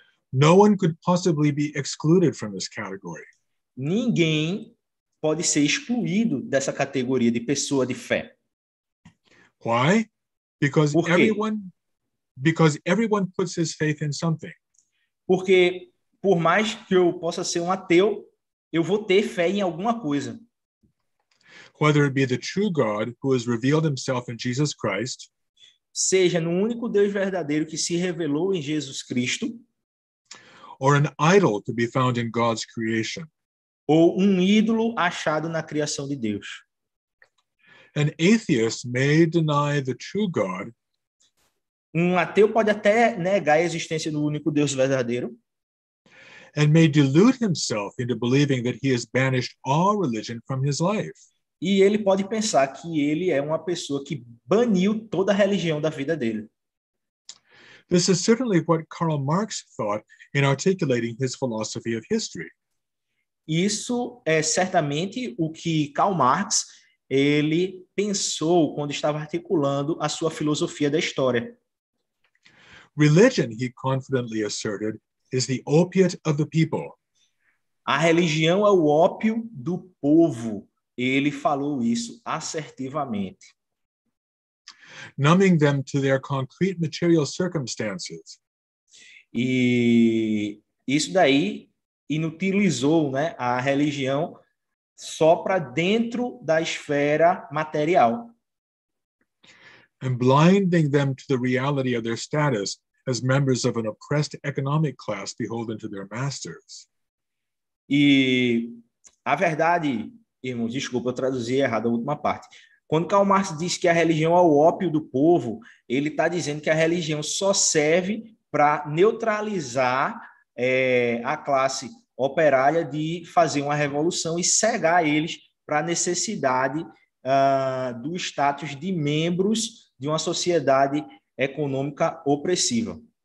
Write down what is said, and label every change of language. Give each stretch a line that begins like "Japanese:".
English: No one could possibly be excluded from this category.
Portuguese: Ninguém pode ser excluído dessa categoria de pessoa de fé.
English: Why? Because everyone puts his faith in something.
Portuguese: Porque por mais que eu possa ser um ateu, eu vou ter fé em alguma coisa.
English: Whether it be the true God who has revealed himself in Jesus Christ,
Portuguese: seja no único Deus verdadeiro que se revelou em Jesus Cristo,
English: or an idol to be found in God's creation,
Portuguese: ou um ídolo achado na criação de Deus.
English: An atheist may deny the true God.
Portuguese: Um ateu pode até negar a existência do único Deus verdadeiro.
English: And may delude himself into believing that he has banished all religion from his life.
Portuguese: E ele pode pensar que ele é uma pessoa que baniu toda a religião da vida dele.
English: This is certainly what Karl Marx thought in articulating his philosophy of history.
Portuguese: Isso é certamente o que Karl Marx ele pensou quando estava articulando a sua filosofia da história.
English: Religion, he confidently asserted, is the opiate of the people.
Portuguese: A religião é o ópio do povo. Ele falou isso assertivamente.
English: Numbing them to their concrete material circumstances.
Portuguese: E isso daí inutilizou, né, a religião só para dentro da esfera material.
English: And blinding them to the reality of their status as members of an oppressed economic class beholden to their masters.
Portuguese: E a verdade, irmãos, desculpa, eu traduzi errado a última parte. Quando Karl Marx diz que a religião é o ópio do povo, ele está dizendo que a religião só serve para neutralizar a classe operária de fazer uma revolução e cegar eles para a necessidade do status de membros de uma sociedade econômica opressiva.